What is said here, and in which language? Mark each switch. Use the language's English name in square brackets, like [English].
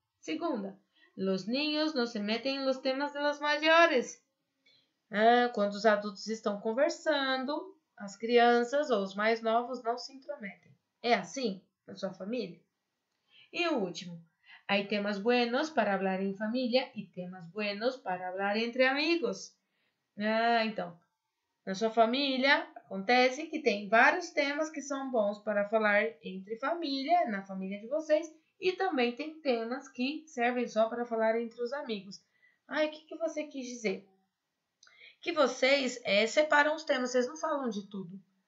[Spanish] Segunda, los niños no se meten en los temas de los mayores. [Portuguese] Quando os adultos estão conversando, as crianças ou os mais novos não se intrometem. É assim na sua família? E o último, [Spanish] hay temas buenos para hablar en familia y temas buenos para hablar entre amigos. [Portuguese] Então, na sua família, acontece que tem vários temas que são bons para falar entre família, na família de vocês, e também tem temas que servem só para falar entre os amigos. Ai, o que que você quis dizer? Que vocês separam os temas, vocês não falam de tudo.